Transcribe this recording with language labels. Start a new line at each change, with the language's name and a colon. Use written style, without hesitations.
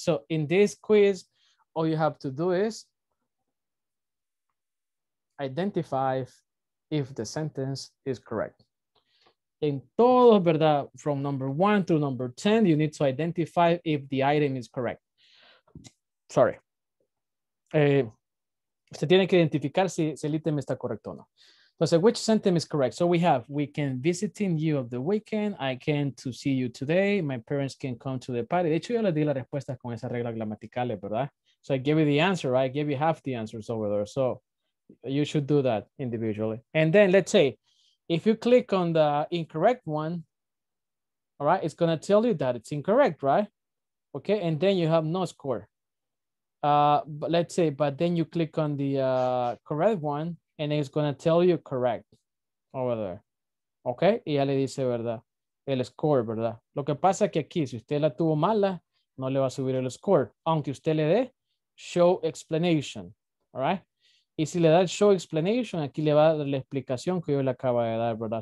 English: So, in this quiz, all you have to do is identify if the sentence is correct.
Spanish: En todo, ¿verdad?
English: From number one to number 10, you need to identify if the item is correct. Sorry.
Spanish: Usted tiene que identificar si el item está correcto o no. Entonces,
English: which sentence is correct? So we have, we can visit you of the weekend. I can to see you today. My parents can come to the party.
Spanish: De hecho, yo le di la respuesta con esas reglas gramaticales, ¿verdad?
English: So I gave you the answer, right? I gave you half the answers over there. So you should do that individually. And then let's say, if you click on the incorrect one, all right, it's going to tell you that it's incorrect, right? Okay, and then you have no score. But then you click on the correct one, and it's going to tell you correct over there.
Spanish: Okay, y ya le dice, ¿verdad? El score, ¿verdad? Lo que pasa que aquí, si usted la tuvo mala, no le va a subir el score, aunque usted le dé show explanation,
English: all right?
Spanish: Y si le da el show explanation, aquí le va a dar la explicación que yo le acabo de dar, ¿verdad?